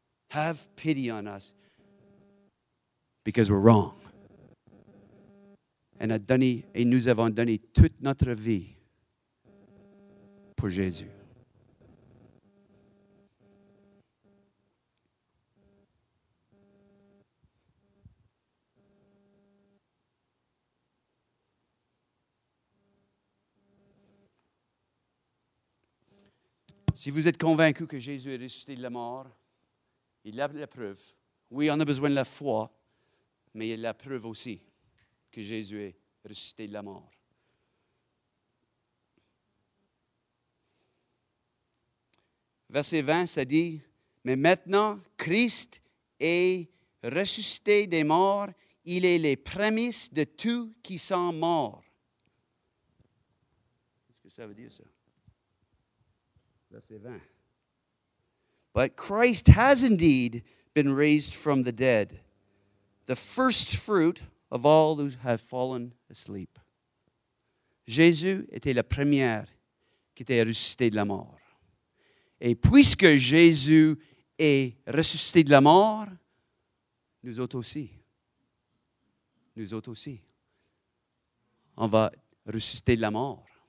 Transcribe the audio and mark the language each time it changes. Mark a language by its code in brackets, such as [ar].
[en] Have pity on us because we're wrong. [fr] Et nous avons donné toute notre vie pour Jésus. Si vous êtes convaincu que Jésus est ressuscité de la mort, il a la preuve. Oui, on a besoin de la foi, mais il a la preuve aussi que Jésus est ressuscité de la mort. Verset 20, ça dit, « Mais maintenant, Christ est ressuscité des morts, il est les prémices de tous qui sont morts. » Qu'est-ce que ça veut dire, ça? Verset 20. [en] But Christ has indeed been raised from the dead, the first fruit of all who have fallen asleep. [fr] Jésus était la première qui était ressuscité de la mort. Et puisque Jésus est ressuscité de la mort, nous autres aussi, on va ressusciter de la mort.